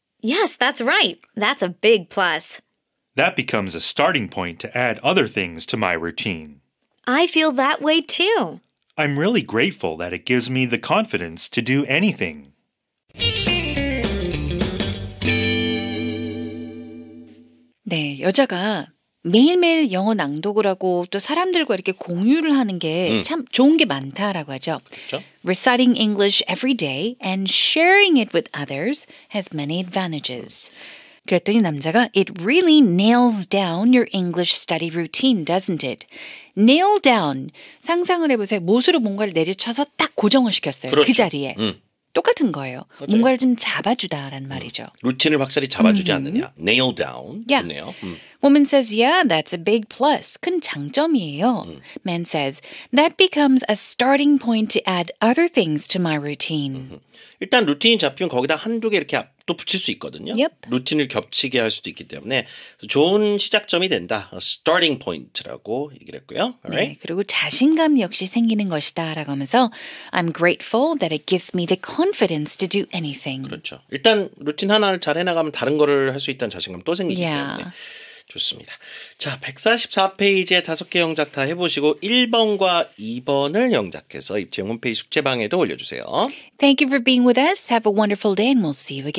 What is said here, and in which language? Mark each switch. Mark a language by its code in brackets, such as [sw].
[en] Yes, that's right. That's a big plus. That becomes a starting point to add other things to my routine. I feel that way too. I'm really grateful that it gives me the confidence to do anything. [ko] (목소리) 네, 여자가 매일매일 영어 낭독을 하고 또 사람들과 이렇게 공유를 하는 게 참 좋은 게 많다라고 하죠. 그렇죠? [en] Reciting English every day and sharing it with others has many advantages. [ko] 그랬더니 남자가 [en] It really nails down your English study routine, doesn't it? [ko] Nail down. 상상을 해보세요. 못으로 뭔가를 내려쳐서 딱 고정을 시켰어요. 그렇죠. 그 자리에. 똑같은 거예요. 맞아요. 뭔가를 좀 잡아주다라는 말이죠. 루틴을 확실히 잡아주지 않느냐. [en] Nail down. Yeah. [ko] 좋네요. [en] Woman says, yeah, that's a big plus. [ko] 큰 장점이에요. [en] Man says, that becomes a starting point to add other things to my routine. [ko] 일단 루틴이 잡히면 거기다 한두 개 이렇게 또 붙일 수 있거든요. [en] Yep. [ko] 루틴을 겹치게 할 수도 있기 때문에 좋은 시작점이 된다. A starting point라고 얘기를 했고요. [en] All right. [ko] 네, 그리고 자신감 역시 생기는 것이다 라고 하면서 [en] I'm grateful that it gives me the confidence to do anything. [ko] 그렇죠. 일단 루틴 하나를 잘 해나가면 다른 거를 할 수 있다는 자신감 또 생기기 때문에. 좋습니다. 자, 144페이지에 5개 영작 다 해보시고 1번과 2번을 영작해서 입체형 홈페이지 숙제방에도 올려주세요. [en] Thank you for being with us. Have a wonderful day and we'll see you again.